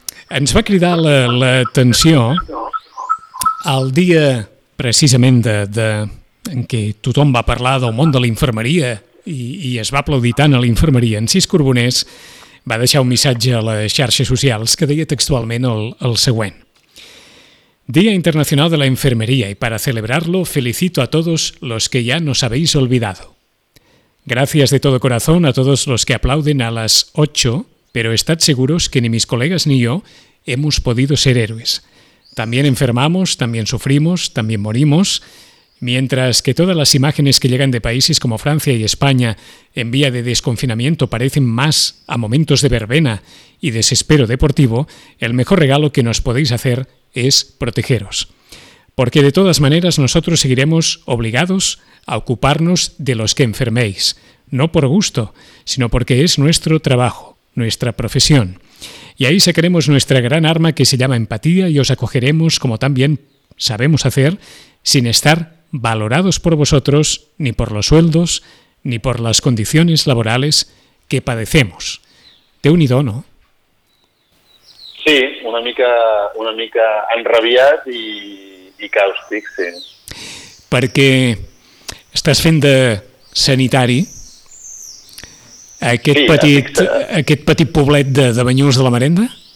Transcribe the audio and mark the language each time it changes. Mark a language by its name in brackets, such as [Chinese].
[Catalan] Ens va cridar l'atenció el dia precisament de en què tothom va parlar del món de la infermeria i es va aplaudir tant a la infermeria. En Sis Corboners va deixar un missatge a les xarxes socials que deia textualment el següent. [Spanish] Día Internacional de la Enfermería y para celebrarlo felicito a todos los que ya nos habéis olvidado. Gracias de todo corazón a todos los que aplauden a las 8, pero estad seguros que ni mis colegas ni yo hemos podido ser héroes. También enfermamos, también sufrimos, también morimos. Mientras que todas las imágenes que llegan de países como Francia y España en vía de desconfinamiento parecen más a momentos de verbena y desespero deportivo, el mejor regalo que nos podéis hacer es protegeros. Porque de todas maneras nosotros seguiremos obligados a ocuparnos de los que enferméis, no por gusto, sino porque es nuestro trabajo, nuestra profesión. Y ahí sacaremos nuestra gran arma que se llama empatía y os acogeremos como también sabemos hacer, sin estar valorados por vosotros, ni por los sueldos, ni por las condiciones laborales que padecemos. Te unido, ¿no? [Catalan] Sí, una mica enrabiat i càustic, sí. Perquè estàs fent de sanitari aquest petit poblet de Banyuls de la Marenda?